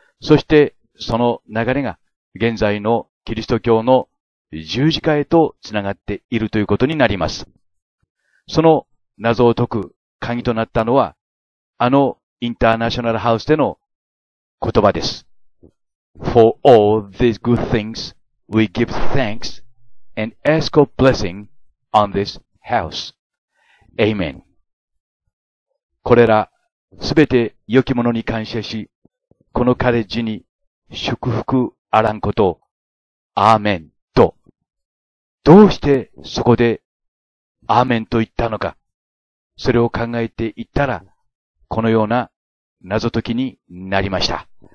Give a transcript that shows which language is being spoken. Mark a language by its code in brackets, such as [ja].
[ja] そしてその流れが現在のキリスト教の十字架へとつながっているということになります。その謎を解く鍵となったのは、あのインターナショナルハウスでの言葉です。 [en] For all these good things, we give thanks and ask a blessing on this house. Amen. [ja] これらすべて良きものに感謝し、このカレッジに祝福あらんことアーメンと。どうしてそこでアーメンと言ったのか、それを考えていったら、このような謎解きになりました。